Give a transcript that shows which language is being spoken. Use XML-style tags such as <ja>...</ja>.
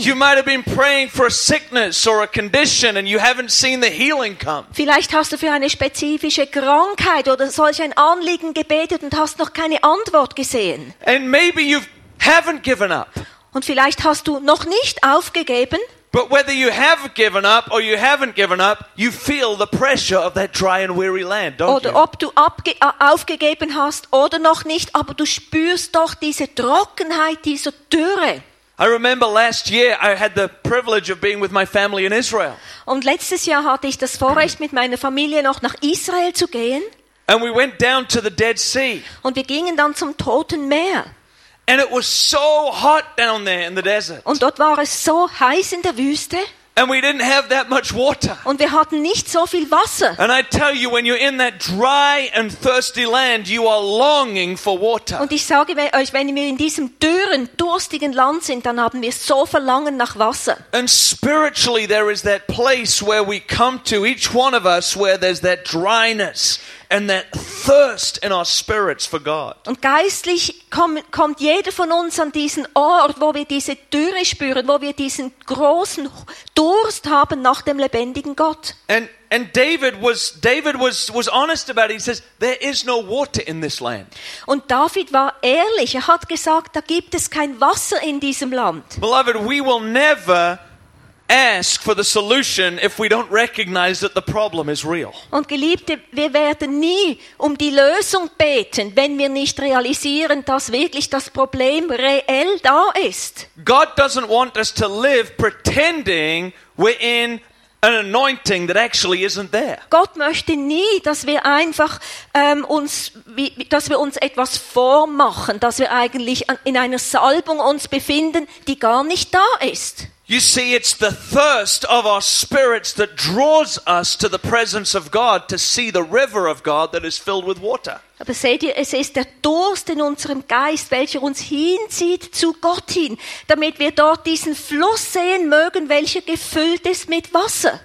<en>You might have been praying for a sickness or a condition and you haven't seen the healing come.</en> <de>Vielleicht hast du für eine spezifische Krankheit oder solch ein Anliegen gebetet und hast noch keine Antwort gesehen.</de> <en>And maybe you haven't given up.</en> <de>Und vielleicht hast du noch nicht aufgegeben.</de> <en>But whether you have given up or you haven't given up, you feel the pressure of that dry and weary land, don't you?</en> <de>Oder ob du aufgegeben hast oder noch nicht, aber du spürst doch diese Trockenheit, diese Dürre.</de> <en>I remember last year I had the privilege of being with my family in Israel.</en> <de>Und letztes Jahr hatte ich das Vorrecht, mit meiner Familie noch nach Israel zu gehen.</de> <en>And we went down to the Dead Sea.</en> <de>Und wir gingen dann zum Toten Meer.</de> <en>And it was so hot down there in the desert.</en> <de>Und dort war es so heiß in der Wüste.</de> <en>And we didn't have that much water.</en> <de>Und wir hatten nicht so viel Wasser.</de> <en>And I tell you, when you're in that dry and thirsty land, you are longing for water.</en> <de>Und ich sage euch, wenn wir in diesem dürren, durstigen Land sind, dann haben wir so Verlangen nach Wasser.</de> <en>And spiritually, there is that place where we come to, each one of us, where there's that dryness and that thirst in our spirits for God.</en> <de>Und geistlich kommt jeder von uns an diesen Ort, wo wir diese Dürre spüren, wo wir diesen großen Durst haben nach dem lebendigen Gott.</de> <en>And David was honest about it. He says, there is no water in this land.</en> <de>Und David war ehrlich. Er hat gesagt, da gibt es kein Wasser in diesem Land.</de> <en>Beloved, we will never ask for the solution if we don't recognize that the problem is real.</en> <de>Und Geliebte, wir werden nie um die Lösung beten, wenn wir nicht realisieren, dass wirklich das Problem reell da ist.</de> <en>God doesn't want us to live pretending we're in an anointing that actually isn't there.</en> <de>Gott möchte nie, dass wir einfach dass wir uns etwas vormachen, dass wir eigentlich in einer Salbung uns befinden, die gar nicht da ist.</de> <en>You see, it's the thirst of our spirits that draws us to the presence of God to see the river of God that is filled with water.</en> <de>Aber seht ihr, es ist der Durst in unserem Geist, welcher uns hinzieht zu Gott hin, damit wir dort diesen Fluss sehen mögen, welcher gefüllt ist mit Wasser.</de>